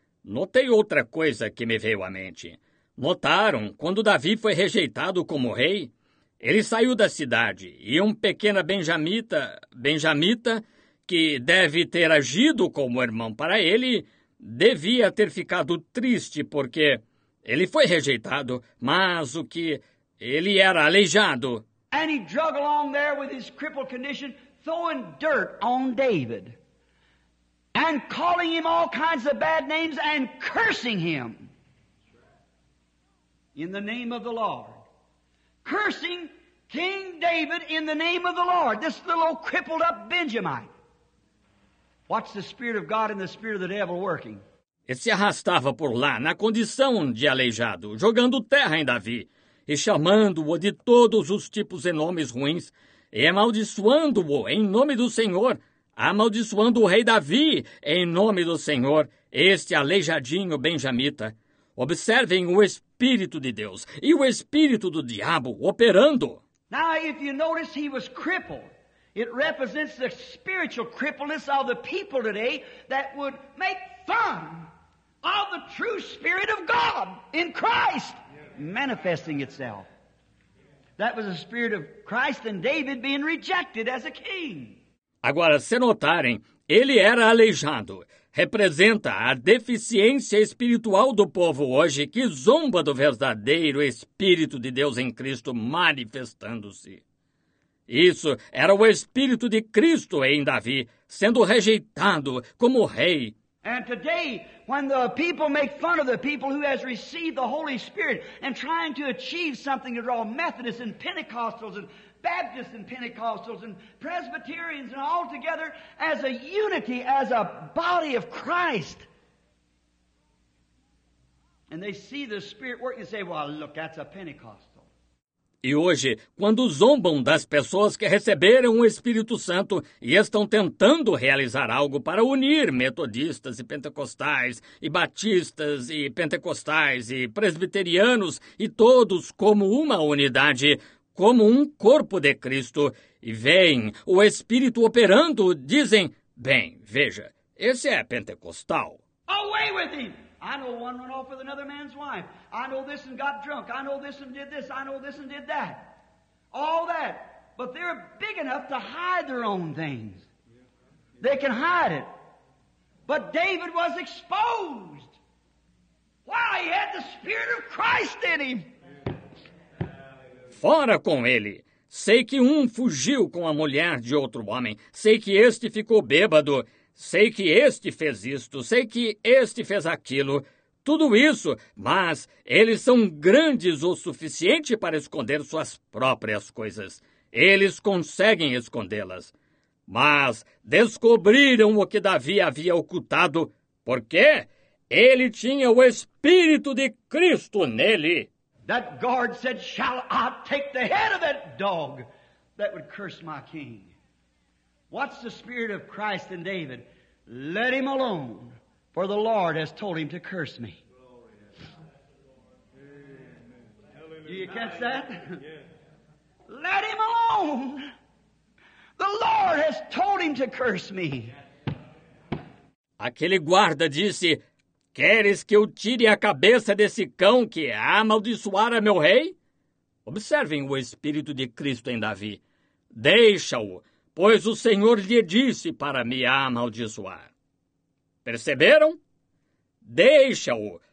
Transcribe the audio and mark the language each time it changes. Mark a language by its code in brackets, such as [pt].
[pt] Notei outra coisa que me veio à mente. Notaram, quando Davi foi rejeitado como rei, ele saiu da cidade e um pequeno benjamita, que deve ter agido como irmão para ele, devia ter ficado triste porque ele foi rejeitado, mas o que ele era aleijado. [en] And he drug along there with his crippled condition, throwing dirt on David. And calling him all kinds of bad names and cursing him. In the name of the Lord. Cursing King David in the name of the Lord. This little old crippled up Benjamite. What's the spirit of God and the spirit of the devil working? [pt] Ele se arrastava por lá na condição de aleijado, jogando terra em Davi. E chamando-o de todos os tipos e nomes ruins, e amaldiçoando-o em nome do Senhor, amaldiçoando o rei Davi em nome do Senhor, este aleijadinho benjamita. Observem o Espírito de Deus e o Espírito do diabo operando. [en] Now, if you notice, he was crippled. It represents the spiritual crippleness of the people today that would make fun of the true Spirit of God in Christ. Manifesting itself. That was the spirit of Christ and David being rejected as a king. [pt] Agora, se notarem, ele era aleijado. Representa a deficiência espiritual do povo hoje que zomba do verdadeiro Espírito de Deus em Cristo manifestando-se. Isso era o Espírito de Cristo em Davi, sendo rejeitado como rei. [en] And today, when the people make fun of the people who has received the Holy Spirit and trying to achieve something to draw Methodists and Pentecostals and Baptists and Pentecostals and Presbyterians and all together as a unity, as a body of Christ. And they see the Spirit work and say, well, look, that's a Pentecost. [pt] E hoje, quando zombam das pessoas que receberam o Espírito Santo e estão tentando realizar algo para unir metodistas e pentecostais e batistas e pentecostais e presbiterianos e todos como uma unidade, como um corpo de Cristo, e veem o Espírito operando, dizem, bem, veja, esse é pentecostal. [en] Away with him! I know one went off with another man's wife. I know this and got drunk. I know this and did this. I know this and did that. All that. But they're big enough to hide their own things. They can hide it. But David was exposed. Why? He had the Spirit of Christ in him. [pt] Fora com ele. Sei que um fugiu com a mulher de outro homem. Sei que este ficou bêbado. Sei que este fez isto, sei que este fez aquilo, tudo isso, mas eles são grandes o suficiente para esconder suas próprias coisas. Eles conseguem escondê-las. Mas descobriram o que Davi havia ocultado, porque ele tinha o Espírito de Cristo nele. [en] That guard said, shall I take the head of that dog that would curse my king? What's the spirit of Christ in David? Let him alone, for the Lord has told him to curse me. Do you catch that? Let him alone. The Lord has told him to curse me. [pt] Aquele guarda disse, queres que eu tire a cabeça desse cão que amaldiçoara meu rei? Observem o Espírito de Cristo em Davi. Deixa-o. Pois o Senhor lhe disse para me amaldiçoar. Perceberam? Deixa-o.